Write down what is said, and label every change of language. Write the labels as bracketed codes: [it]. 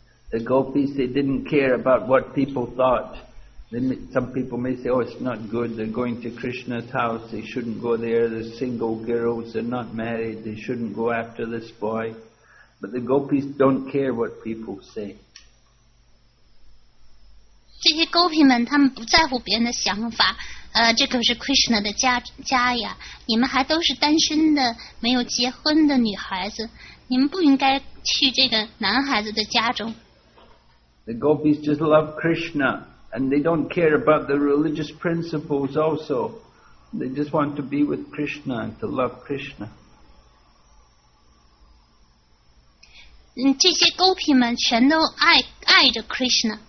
[en] The gopis, they didn't care about what people thought. Some people may say, oh, it's not good, they're going to Krishna's house, they shouldn't go there, they're single girls, they're not married, they shouldn't go after this boy. But the gopis don't care what people say. [zh] 这些 gopi 们他们不在乎别人的想法，这可是 Krishna 的 家呀，你们还都是单身的，没有结婚的女孩子，你们不应该去这个男孩子的家中。 [en] The gopis just love Krishna. And they don't care about the religious principles also. They just want to be with Krishna and to love Krishna. [zh] 这些 gopi 们全都爱着 Krishna.